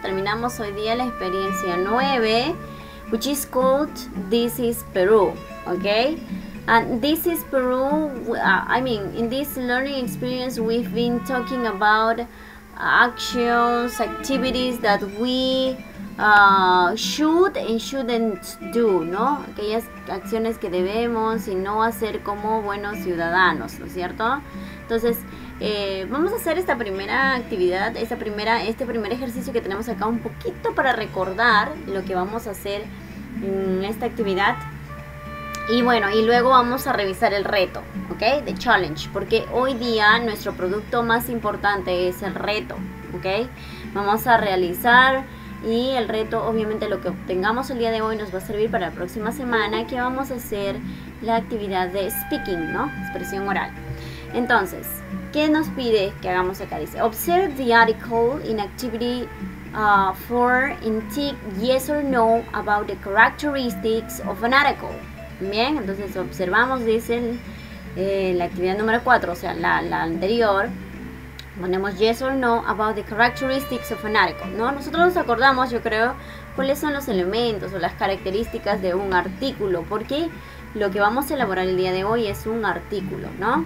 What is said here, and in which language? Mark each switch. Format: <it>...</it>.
<es>Terminamos hoy día la experiencia 9,</es> <en>which is called This is Peru, okay? And This is Peru, in this learning experience, we've been talking about actions, activities that we should and shouldn't do, ¿no?</en> <es>Aquellas acciones que debemos y no hacer como buenos ciudadanos, ¿no es cierto? Entonces, vamos a hacer esta primera actividad, este primer ejercicio que tenemos acá un poquito para recordar lo que vamos a hacer en esta actividad. Y bueno, y luego vamos a revisar el reto, ¿ok?</es> <en>The challenge,</en> <es>porque hoy día nuestro producto más importante es el reto, ¿ok? Vamos a realizar... Y el reto, obviamente, lo que obtengamos el día de hoy nos va a servir para la próxima semana, que vamos a hacer la actividad de speaking, ¿no? Expresión oral. Entonces, ¿qué nos pide que hagamos acá? Dice,</es> <en>observe the article in activity 4 and tick yes or no about the characteristics of an article.</en> <es>Bien, entonces observamos, dice la actividad número 4, o sea, la anterior. Ponemos</es> <en>yes or no about the characteristics of an article, ¿no?</en> <es>Nosotros nos acordamos, yo creo, cuáles son los elementos o las características de un artículo, porque lo que vamos a elaborar el día de hoy es un artículo, ¿no?</es>